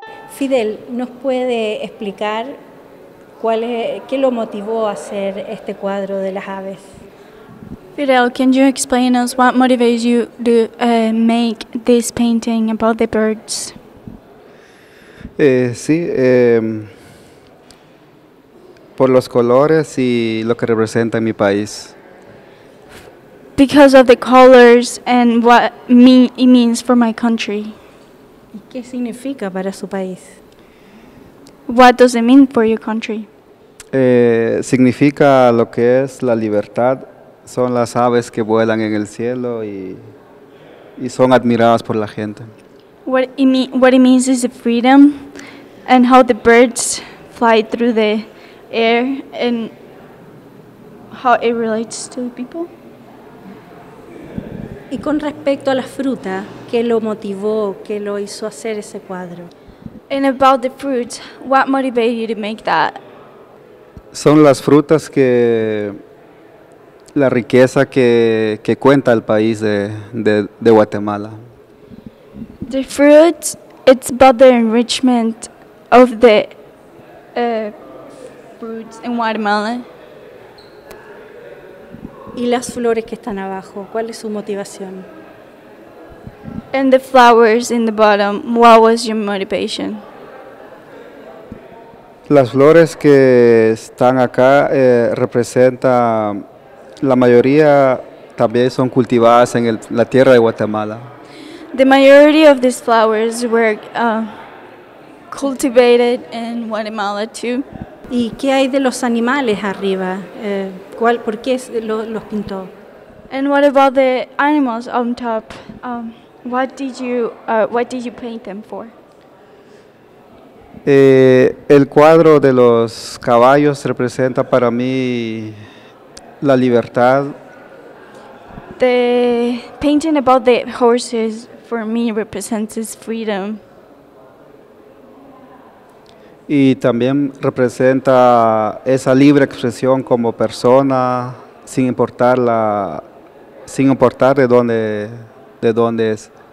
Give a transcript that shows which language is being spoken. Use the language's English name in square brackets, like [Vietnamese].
[Spanish] Fidel, ¿nos puede explicar qué lo motivó a hacer este cuadro de las aves? [English] Fidel, can you explain us what motivates you to make this painting about the birds? [Spanish] Por los colores y lo que representa mi país. [English] Because of the colors and what it means for my country. [Spanish] ¿Y qué significa para su país? [English] What does it mean for your country? [Spanish] Significa lo que es la libertad, son las aves que vuelan en el cielo y son admiradas por la gente. [English] What it means is the freedom and how the birds fly through the air and how it relates to the people. [Spanish] Y con respecto a la fruta, ¿qué lo motivó, qué lo hizo hacer ese cuadro? [English] And about the fruit, what motivated you to make that? [Spanish] Son las frutas que la riqueza que cuenta el país de Guatemala. [English] The fruit, it's about the enrichment of the fruits in Guatemala. [Spanish] Y las flores que están abajo, ¿cuál es su motivación? [English] And the flowers in the bottom, what was your motivation? [Spanish] Las flores que están acá representan, la mayoría también son cultivadas en la tierra de Guatemala. [English] The majority of these flowers were cultivated in Guatemala too. [Spanish] ¿Y qué hay de los animales arriba? ¿Por qué los pintó? [English] And what about the animals on top? What did you paint them for? [Spanish] El cuadro de los caballos representa para mí la libertad. [English] The painting about the horses for me represents freedom. [Spanish] Y también representa esa libre expresión como persona, sin importar de dónde es.